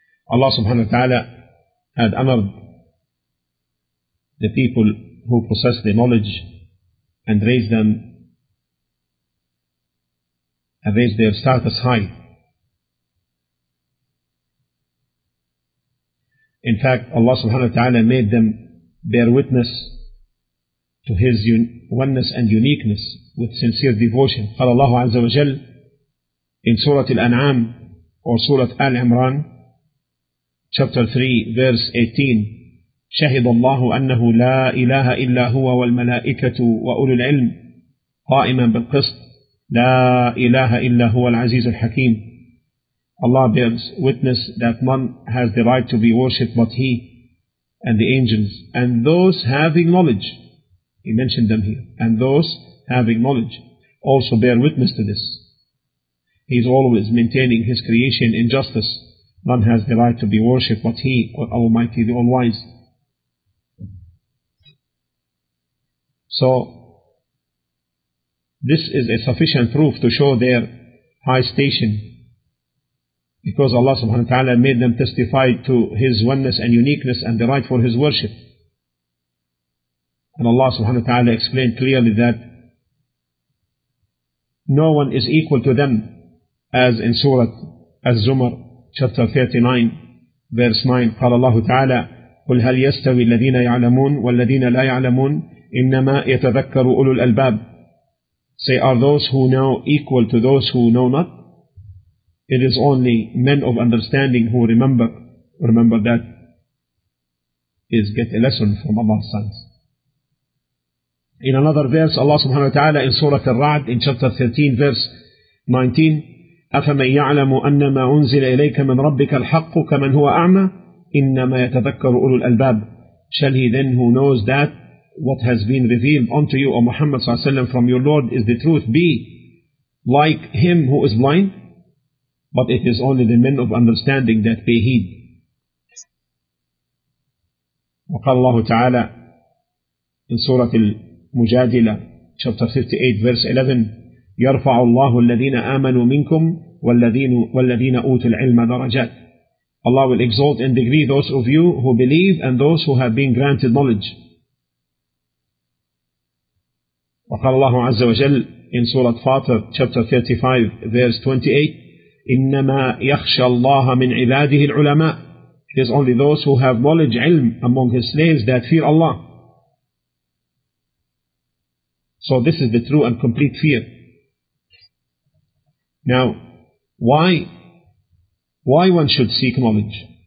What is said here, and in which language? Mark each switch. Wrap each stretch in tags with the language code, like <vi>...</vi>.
<en>Allah subhanahu wa ta'ala had honored the people who possessed the knowledge and raised them and raised their status high. In fact, Allah subhanahu wa ta'ala made them bear witness to His oneness and uniqueness with sincere devotion.</en> <ar>قال الله عز وجل</ar> <en>in Surah Al-An'am or Surah Al-Imran, chapter 3, verse 18,</en> <ar>شهد الله أنه لا إله إلا هو والملائكة وأولو العلم قائما بالقسط لا إله إلا هو العزيز الحكيم.</ar> <en>Allah bears witness that none has the right to be worshipped but He and the angels and those having knowledge. He mentioned them here. And those having knowledge also bear witness to this. He is always maintaining His creation in justice. None has the right to be worshipped but He, or Almighty, the All-Wise. So, this is a sufficient proof to show their high station, because Allah subhanahu wa ta'ala made them testify to His oneness and uniqueness and the right for His worship. And Allah subhanahu wa ta'ala explained clearly that no one is equal to them, as in Surah Az-Zumar, chapter 39, verse 9.</en> <ar>قال الله تعالى قل هل يستوي الذين يعلمون والذين لا يعلمون إنما يتذكر أولو الألباب.</ar> <en>Say, are those who know equal to those who know not? It is only men of understanding who remember that is get a lesson from Allah's sons. In another verse, Allah subhanahu wa ta'ala in Surah Al-Ra'd, in chapter 13, verse 19,</en> <ar>أَفَمَنْ يَعْلَمُ أَنَّمَا أُنزِلَ إِلَيْكَ مِنْ رَبِّكَ الْحَقُّ كَمَنْ هُوَ أَعْمَى إِنَّمَا يَتَذَكَّرُ أُولُو الْأَلْبَابِ.</ar> <en>Shall he then who knows that what has been revealed unto you, O Muhammad</en> <ar>صلى الله عليه وسلم,</ar> <en>from your Lord is the truth, be like him who is blind? But it is only the men of understanding that pay heed.</en> <ar>وقال الله تعالى</ar> <en>in Surah Al-Mujadila, chapter 58, verse 11,</en> <ar>يرفع الله الذين آمنوا منكم والذين أوتوا العلم درجات.</ar> <en>Allah will exalt and degree those of you who believe and those who have been granted knowledge.</en> <ar>وقال الله عز وجل</ar> <en>in Surah Fatir, chapter 35, verse 28,</en> <ar>إنما يخشى الله من عباده العلماء.</ar> <en>It is only those who have knowledge, ilm among his slaves that fear Allah. So this is the true and complete fear. Now, why one should seek knowledge?</en>